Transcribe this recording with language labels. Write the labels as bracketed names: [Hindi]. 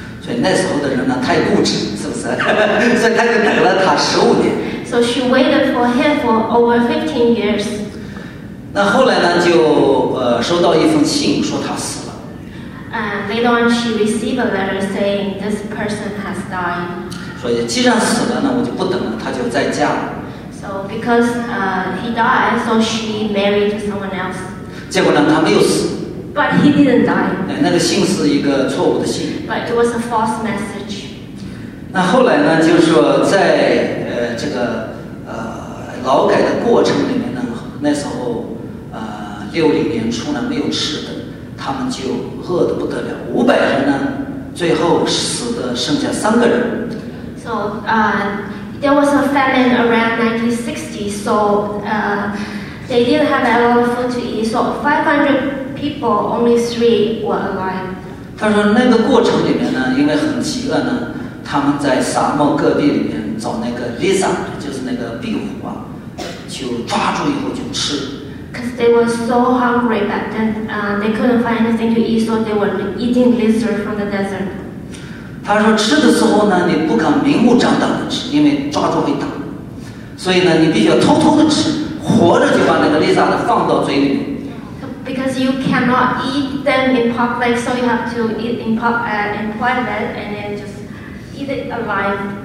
[Chinese] 所以那时候的人呢，太固执，是不是？所以她就等了他十五年。 [English] So she waited for him for over 15 years. [Chinese] 那后来呢，就收到一封信，说他死了。 [English] Later on, she received a letter saying this person has died. [Chinese] 所以既然死了，那我就不等了，他就再嫁了。 [English] So because he died, so she married someone else. [Chinese] 结果呢，他没有死。 [English] But he didn't die. [Chinese] 那个信是一个错误的信。 [English] But it was a false message. [Chinese] 那后来呢，就是说在。这个劳改的过程里面呢，那时候60年初呢没有吃的，他们就饿得不得了。 500人呢，最后死的剩下3个人。 [English] So, there was a famine around 1960, so they didn't have a lot of food to eat. So 500 people, only 3 were alive. [Chinese] 他说那个过程里面呢，因为很饥饿呢，他们在沙漠戈壁里面。找那个 Lisa， 就是那个壁虎啊，就抓住以后就吃。 [English] Because they were so hungry back then, they couldn't find anything to eat, so they were eating lizard from the desert. [Chinese] 他说吃的时候呢，你不敢明目张胆的吃，因为抓住会打，所以呢，你必须要偷偷的吃，活着就把那个 Lisa 的放到嘴里。 [English] Because you cannot eat them in public, so you have to eat in private and then just eat it alive.